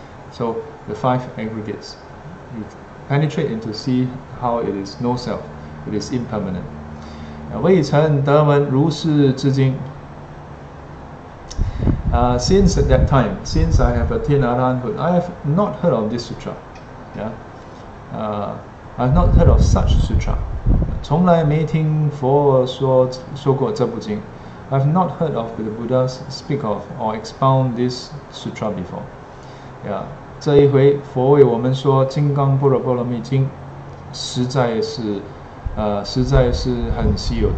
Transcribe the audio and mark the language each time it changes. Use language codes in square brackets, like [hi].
[en] So the five aggregates, you penetrate into see how it is no self, it is impermanent. [zh] 未曾得闻如是至今. [en] Since at that time, since I have attained Arahanthood, I have not heard of this sutra. Yeah, I have not heard of such sutra. [zh] 从来没听佛说过这部经. [en] I have not heard of the Buddha speak of or expound this sutra before. [zh] Yeah, 这一回佛为我们说《金刚般若波罗蜜经》, 实在是 实在是很稀有的.